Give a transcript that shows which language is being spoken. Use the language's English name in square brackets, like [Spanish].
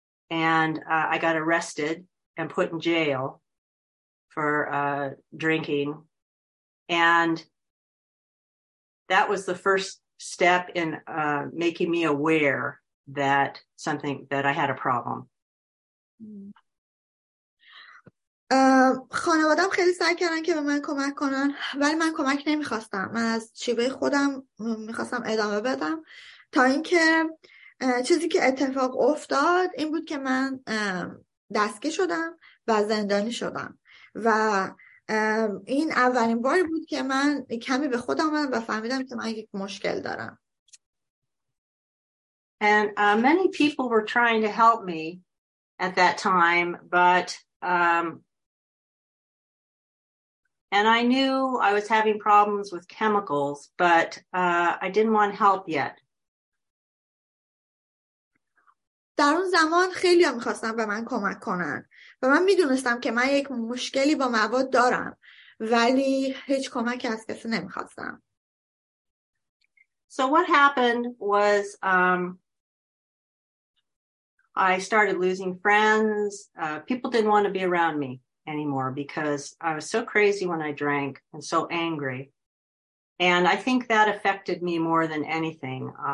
[English] And I got arrested and put in jail for drinking. And that was the first step in making me aware that something that I had a problem. [Persian] خانوادم خیلی سعی کردن که به من کمک کنن، ولی من کمک نمیخواستم. من از شیوه خودم میخواستم ادامه بدم، تا اینکه چیزی که اتفاق افتاد این بود که من دستگیر شدم و زندانی شدم و این اولین باری بود که من کمی به خودم آمدم و فهمیدم که من یک مشکل دارم. [English] And many people were trying to help me at that time, but and I knew I was having problems with chemicals, but I didn't want help yet. [Persian] در اون زمان خیلی ها میخواستن به من کمک کنن و من میدونستم که من یک مشکلی با مواد دارم، ولی هیچ کمکی از کسی نمیخواستم. [English] So what happened was I started losing friends. People didn't want to be around me anymore because I was so crazy when I drank and so angry. And I think that affected me more than anything.